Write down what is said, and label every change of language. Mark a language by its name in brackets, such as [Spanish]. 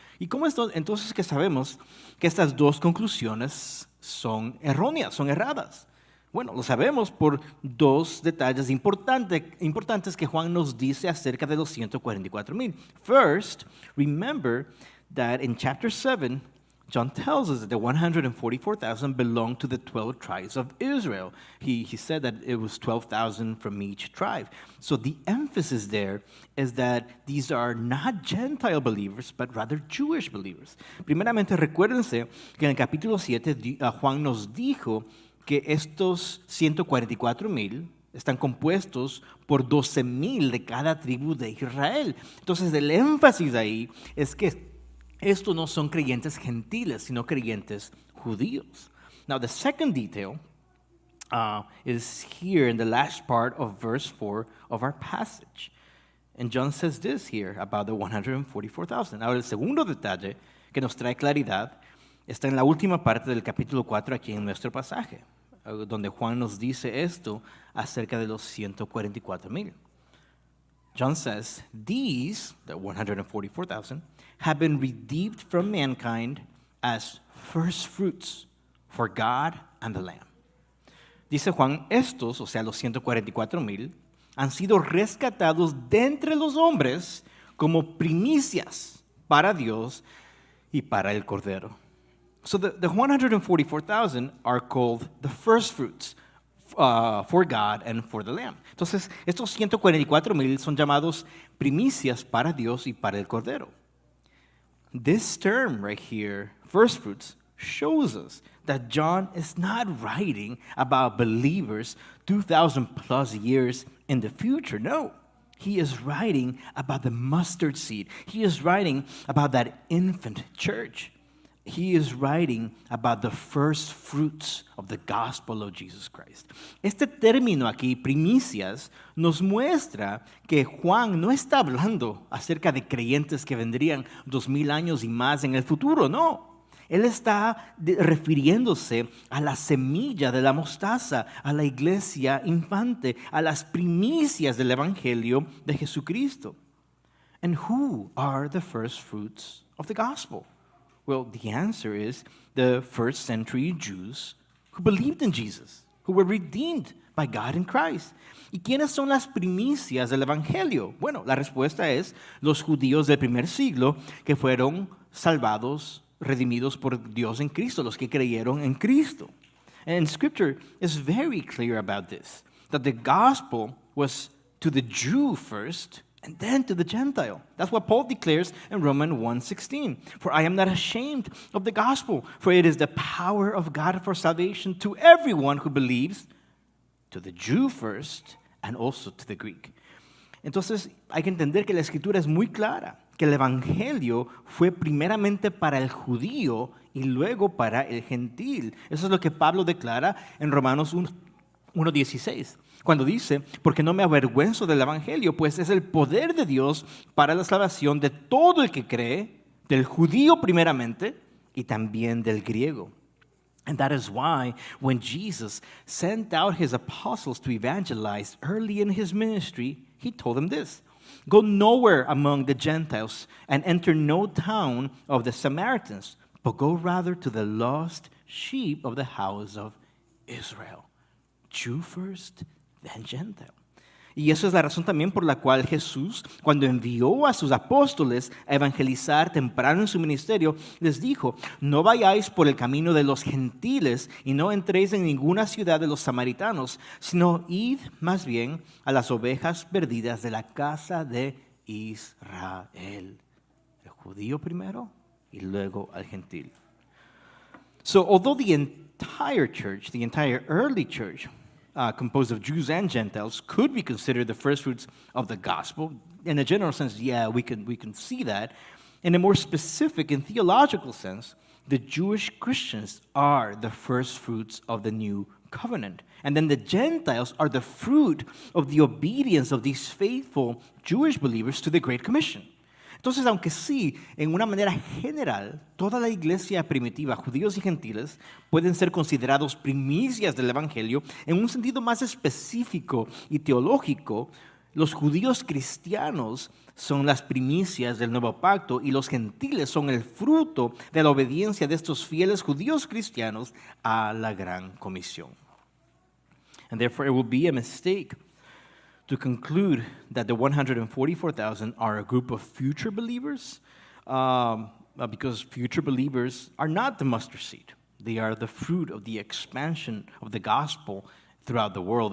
[Spanish] ¿Y cómo es entonces que sabemos que estas dos conclusiones son erróneas, son erradas? Bueno, lo sabemos por dos detalles importantes que Juan nos dice acerca de los 144,000. [English] First, remember that in chapter 7, John tells us that the 144,000 belong to the 12 tribes of Israel. He said that it was 12,000 from each tribe. So the emphasis there is that these are not Gentile believers, but rather Jewish believers. [Spanish] Primeramente, recuérdense que en el capítulo 7, Juan nos dijo que estos 144,000 están compuestos por 12,000 de cada tribu de Israel. Entonces, el énfasis ahí es que estos no son creyentes gentiles, sino creyentes judíos. [English] Now, the second detail is here in the last part of verse 4 of our passage. And John says this here about the 144,000. [Spanish] Ahora, el segundo detalle que nos trae claridad está en la última parte del capítulo 4 aquí en nuestro pasaje, donde Juan nos dice esto acerca de los 144,000. [English] John says, these, the 144,000, have been redeemed from mankind as first fruits for God and the Lamb. [Spanish] Dice Juan, estos, o sea, los 144,000, han sido rescatados de entre los hombres como primicias para Dios y para el Cordero. [English] So the 144,000 are called the first fruits for God and for the Lamb. [Spanish] Entonces, estos 144,000 son llamados primicias para Dios y para el Cordero. [English] This term right here, first fruits, shows us that John is not writing about believers 2,000 plus years in the future. No, he is writing about the mustard seed. He is writing about that infant church. He is writing about the first fruits of the gospel of Jesus Christ. [Spanish] Este término aquí, primicias, nos muestra que Juan no está hablando acerca de creyentes que vendrían 2,000 años y más en el futuro, no. Él está refiriéndose a la semilla de la mostaza, a la iglesia infante, a las primicias del evangelio de Jesucristo. [English] And who are the first fruits of the gospel? Well, the answer is the first century Jews who believed in Jesus, who were redeemed by God in Christ. [Spanish] ¿Y quiénes son las primicias del evangelio? Bueno, la respuesta es los judíos del primer siglo que fueron salvados, redimidos por Dios en Cristo, los que creyeron en Cristo. [English] And scripture is very clear about this, that the gospel was to the Jew first, and then to the Gentile. That's what Paul declares in Romans 1:16. For I am not ashamed of the gospel, for it is the power of God for salvation to everyone who believes, to the Jew first, and also to the Greek. [Spanish] Entonces, hay que entender que la escritura es muy clara, que el evangelio fue primeramente para el judío y luego para el gentil. Eso es lo que Pablo declara en Romanos 1:16. Cuando dice, porque no me avergüenzo del evangelio, pues es el poder de Dios para la salvación de todo el que cree, del judío primeramente y también del griego. [English] And that is why when Jesus sent out his apostles to evangelize early in his ministry, he told them this: go nowhere among the Gentiles and enter no town of the Samaritans, but go rather to the lost sheep of the house of Israel. Jew first, then Gentile. [Spanish] Y eso es la razón también por la cual Jesús, cuando envió a sus apóstoles a evangelizar temprano en su ministerio, les dijo, no vayáis por el camino de los gentiles y no entréis en ninguna ciudad de los samaritanos, sino id más bien a las ovejas perdidas de la casa de Israel. El judío primero y luego al gentil. [English] So although the entire church, the entire early church, composed of Jews and Gentiles, could be considered the first fruits of the gospel. In a general sense, yeah, we can see that. In a more specific and theological sense, the Jewish Christians are the first fruits of the new covenant. And then the Gentiles are the fruit of the obedience of these faithful Jewish believers to the Great Commission. [Spanish] Entonces, aunque sí, en una manera general, toda la iglesia primitiva, judíos y gentiles, pueden ser considerados primicias del evangelio, en un sentido más específico y teológico, los judíos cristianos son las primicias del nuevo pacto y los gentiles son el fruto de la obediencia de estos fieles judíos cristianos a la gran comisión. [English] And therefore, it will be a mistake to conclude that the 144,000 are a group of future believers, because future believers are not the mustard seed. They are the fruit of the expansion of the gospel throughout the world.